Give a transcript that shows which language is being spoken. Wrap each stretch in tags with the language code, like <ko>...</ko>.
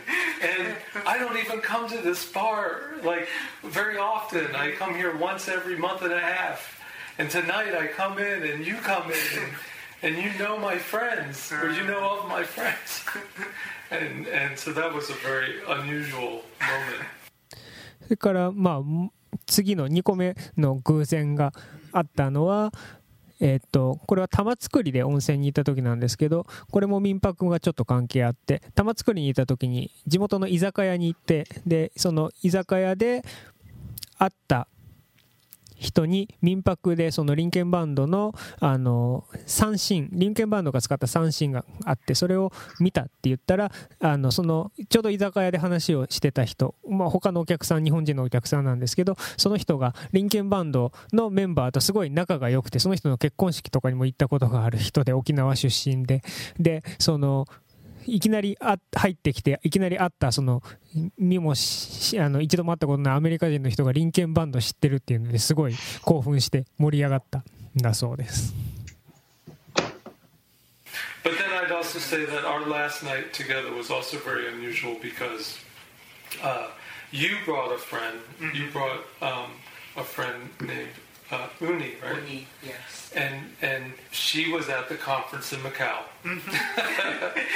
<en>And I don't even come to this bar, like, very often. I come here once every month and a half. And tonight I come in and you come in and you know my friends, or you know all my friends. And so that was a very unusual moment. Then,</en> <ja>次の2個目の偶然があったのは、これは玉造で温泉にいた時なんですけど、これも民泊がちょっと関係あって、玉造にいた時に地元の居酒屋に行って、でその居酒屋で会った人に民泊でそのリンケンバンドの、三振、リンケンバンドが使った三振があって、それを見たって言ったら、そのちょうど居酒屋で話をしてた人、まあ、他のお客さん、日本人のお客さんなんですけど、その人がリンケンバンドのメンバーとすごい仲が良くて、その人の結婚式とかにも行ったことがある人で、沖縄出身で、でそのいきなり入ってきて、いきなり会った、その見もし一度も会ったことのないアメリカ人の人がリンケンバンド知ってるっていうのですごい興奮して盛り上がっただそうです。</ja> <en>But then I'd also say that our last night together was also very unusual because、you brought a friend、mm-hmm. you brought、a friend named、Uni, right? Uni, yes. And she was at the conference in Macau、mm-hmm.</en>